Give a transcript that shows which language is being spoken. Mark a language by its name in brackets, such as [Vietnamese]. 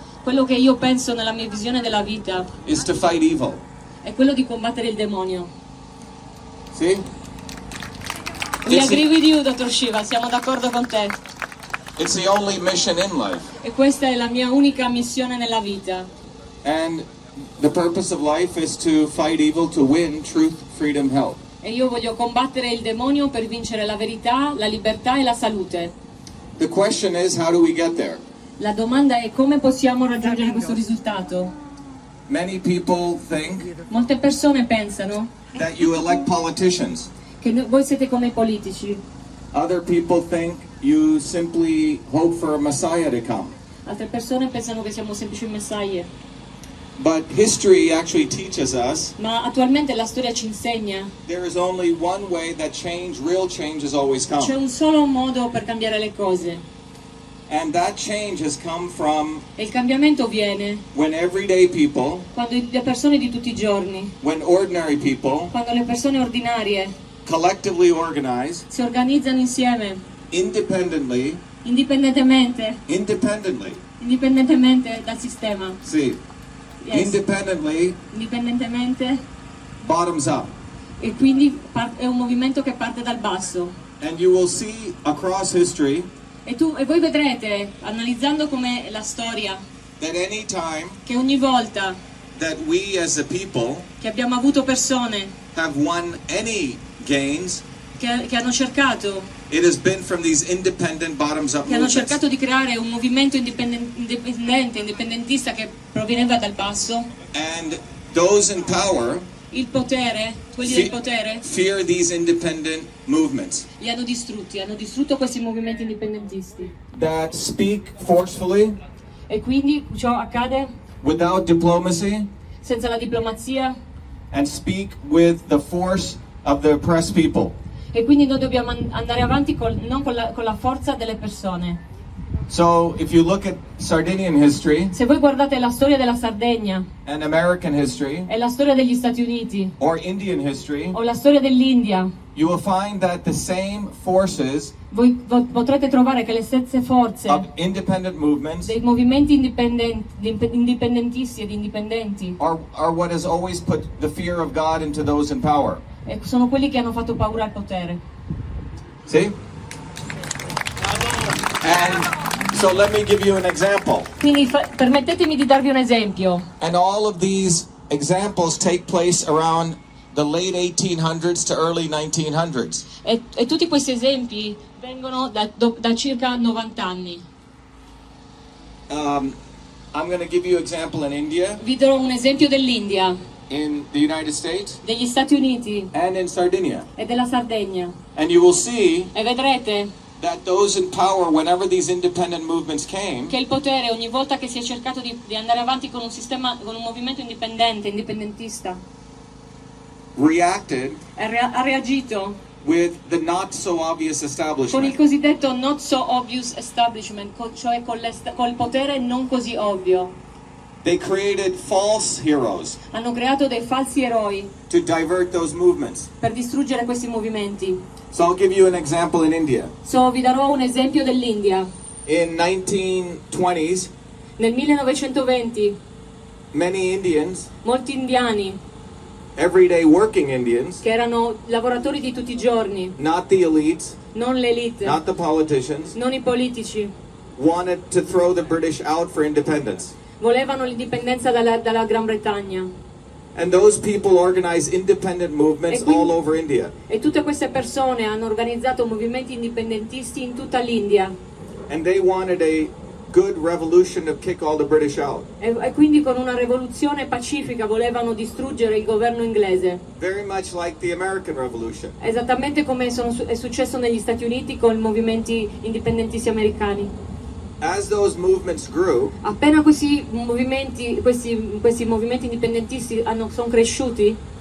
[Italian] quello che io penso nella mia visione della vita, [English] is to fight evil, [Italian] è quello di combattere il demonio. Sì? [English] We agree with you, Dr. Shiva. [Italian] Siamo d'accordo con te. [English] It's the only mission in life. [Italian] E questa è la mia unica missione nella vita. [English] And the purpose of life is to fight evil, to win truth, freedom, health. [Italian] E io voglio combattere il demonio per vincere la verità, la libertà e la salute. [English] The question is, how do we get there? [Italian] La domanda è come possiamo raggiungere questo risultato. [English] Many people think. [Italian] Molte persone pensano. [English] That you elect politicians. [Italian] Che voi siete come i politici. [English] Other people think you simply hope for a messiah to come. [Italian] Altre persone pensano che siamo semplici messie. [English] But history actually teaches us. [Italian] Ma attualmente la storia ci insegna. [English] There is only one way that change, real change, has always come. [Italian] C'è un solo modo per cambiare le cose. [English] And that change has come from. [Italian] Il cambiamento viene. [English] When everyday people. [Italian] Quando le persone di tutti i giorni. [English] When ordinary people. [Italian] Quando le persone ordinarie. [English] Collectively organize. [Italian] Si organizzano insieme. [English] Independently. [Italian] Indipendentemente. [English] Independently. [Italian] Indipendentemente dal sistema. Sì. [English] Yes. Independently. [Italian] Indipendentemente. [English] Bottoms up. [Italian] E quindi è un movimento che parte dal basso. [English] And you will see across history. [Italian] E voi vedrete, analizzando com'è la storia, [English] that any time, [Italian] che ogni volta [English] that we as a people, [Italian] che abbiamo avuto persone [English] have won any gains, [Italian] che hanno cercato, [English] it has been from these independent bottoms up movements, [Italian] che hanno cercato di creare un movimento indipendentista che proveniva dal basso, [English] and those in power, [Italian] il potere, quelli del potere, [English] fear these independent movements. [Italian] Li hanno distrutto questi movimenti indipendentisti. [English] That speak forcefully. [Italian] E quindi ciò accade. [English] Without diplomacy. [Italian] Senza la diplomazia. [English] And speak with the force of the oppressed people. [Italian] E quindi noi dobbiamo andare avanti con la forza delle persone. [English] So if you look at Sardinian history, [Italian] se voi guardate la storia della Sardegna, [English] and American history, [Italian] e la storia degli Stati Uniti, [English] or Indian history, [Italian] o la storia dell'India, [English] you will find that the same forces, [Italian] voi potrete trovare che le stesse forze [English] of independent movements, [Italian] dei movimenti indipendentisti ed indipendenti, [English] are what has always put the fear of God into those in power. [Italian] E sono quelli che hanno fatto paura al potere. Sì? [English] And so let me give you an example. [Italian] Quindi permettetemi di darvi un esempio. [English] And all of these examples take place around the late 1800s to early 1900s. [Italian] E tutti questi esempi vengono da circa 90 anni. [English] I'm going to give you an example in India. [Italian] Vi darò un esempio dell'India. [English] In the United States. [Italian] Degli Stati Uniti. [English] And in Sardinia. [Italian] E della Sardegna. [English] And you will see. [Italian] E vedrete. [English] That those in power, whenever these independent movements came, [Italian] che il potere ogni volta che si è cercato di andare avanti con un sistema, con un movimento indipendente, indipendentista, [English] reacted, [Italian] ha reagito, [English] with the not so obvious establishment, [Italian] con il cosiddetto [English] not so obvious establishment, [Italian] cioè col potere non così ovvio. [English] They created false heroes, [Italian] hanno creato dei falsi eroi, [English] to divert those movements, [Italian] per distruggere questi movimenti. [English] So I'll give you an example in India. [Italian] So vi darò un esempio dell'India. [English] In 1920s, [Italian] nel 1920, [English] many Indians, [Italian] molti indiani, [English] everyday working Indians, [Italian] che erano lavoratori di tutti I giorni, [English] not the elite, [Italian] non l'elite, [English] not the politicians, [Italian] non I politici, [English] wanted to throw the British out for independence. [Italian] Volevano l'indipendenza dalla Gran Bretagna. [English] And those people organized independent movements all over India. [Italian] E tutte queste persone hanno organizzato movimenti indipendentisti in tutta l'India. [English] And they wanted a good revolution to kick all the British out. [Italian] E quindi con una rivoluzione pacifica volevano distruggere il governo inglese. [English] Very much like the American Revolution. [Italian] Esattamente come è successo negli Stati Uniti con I movimenti indipendentisti americani. [English] As those movements grew, [Italian] appena questi movimenti indipendentisti sono cresciuti,